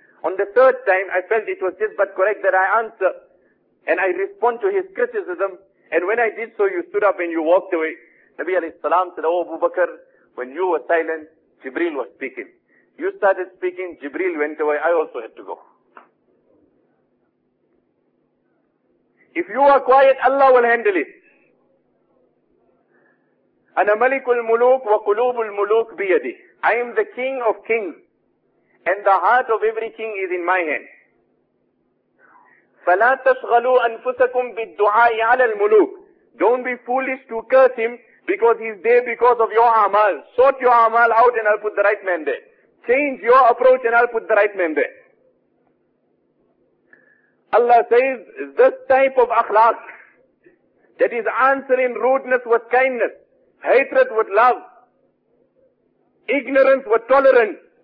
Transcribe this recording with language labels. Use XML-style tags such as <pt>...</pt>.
<en>On the third time, I felt it was just but correct that I answer, and I respond to his criticism, and when I did so, you stood up and you walked away. Nabi alayhi salam said, O Abu Bakr, when you were silent, Jibreel was speaking. You started speaking, Jibreel went away, I also had to go. If you are quiet, Allah will handle it.</en> <ar>أنا ملك الملوك وقلوب الملوك بيدي.</ar> <en>I am the king of kings. And the heart of every king is in my hand.</en> <ar>فلا تشغلوا أنفسكم بالدعاء على الملوك.</ar> <en>Don't be foolish to curse him because he's there because of your amal. Sort your amal out and I'll put the right man there. Change your approach and I'll put the right man there. Allah says, this type of akhlaq, that is answering rudeness with kindness, hatred with love, ignorance with tolerance.</en>